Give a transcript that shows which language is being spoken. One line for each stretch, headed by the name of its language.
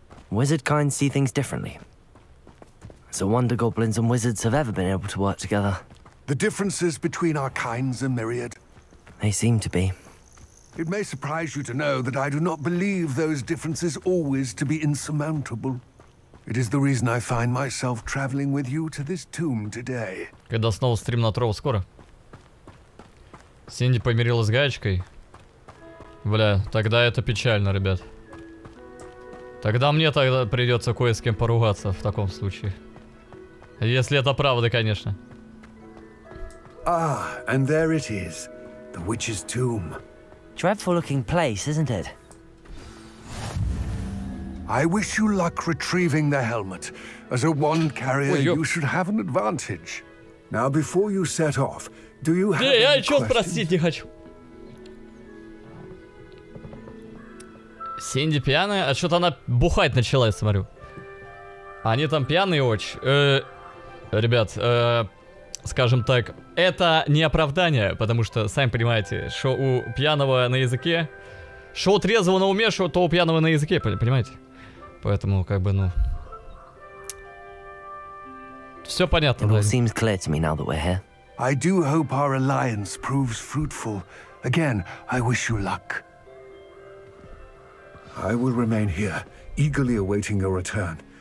English: Wizard kind see things differently. It's a wonder goblins and wizards have ever been able to work together. The differences between our kinds are myriad. They seem to be. It may surprise you to know that I do not believe those differences always to be insurmountable. It is the reason I find myself traveling with you to this tomb today.
Russian: Когда снова стрим на Трово скоро? Синди помирилась с Гаечкой? Бля, тогда это печально, ребят. Тогда мне тогда придется кое с кем поругаться в таком случае. Если это правда, конечно.
English: Ah, and there it is. The witch's tomb. Dreadful looking place, isn't it? I wish you luck retrieving the helmet. As a wand carrier, you should have an advantage. Now, before you set off, do you have any questions?
Russian: Простите, хочу. Синди пьяная, а что-то она бухать начала, я смотрю. Они там пьяные очень. Ребят, скажем так, это не оправдание, потому что, сами понимаете, что у пьяного на языке, что у трезвого на уме, что у пьяного на языке, понимаете? Поэтому, как бы, ну... Все понятно, да? Все понятно для меня, когда мы здесь. Я надеюсь, что наша альянс будет плодотворной.
English: Again, I wish you luck. I will remain here, eagerly awaiting your return.